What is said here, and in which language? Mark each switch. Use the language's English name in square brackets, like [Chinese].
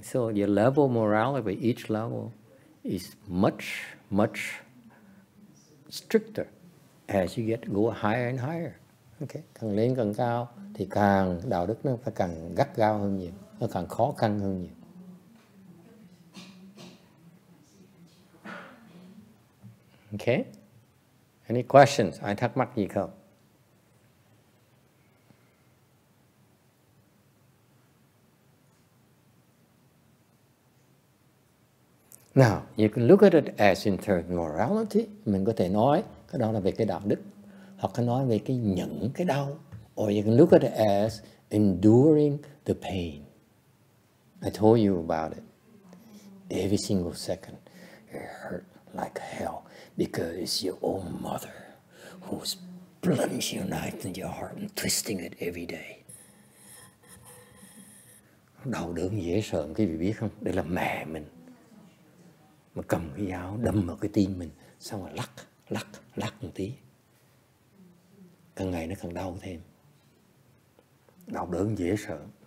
[English] So the level morality by each level is much stricter as you get go higher and higher. [Vietnamese] Okay, càng lên càng cao thì càng đạo đức nó phải càng gắt gao hơn nhiều, nó càng khó khăn hơn nhiều. [English] Okay, any questions? [Vietnamese] Ai thắc mắc gì không? [English] Now, you can look at it as in terms of morality. [Vietnamese] Mình có thể nói cái đó là về cái đạo đức. Hoặc có nói về cái nhẫn, cái đau. [English] Or you can look at it as enduring the pain. I told you about it. Every single second, it hurt like hell. Because it's your own mother who's plunging your knife in your heart and twisting it every day. [Vietnamese] Đau đớn dễ sợ, quý vị biết không? Đây là mẹ mình. Mà cầm cái dao đâm vào cái tim mình, xong rồi lắc một tí, càng ngày nó càng đau thêm, đau đớn dễ sợ.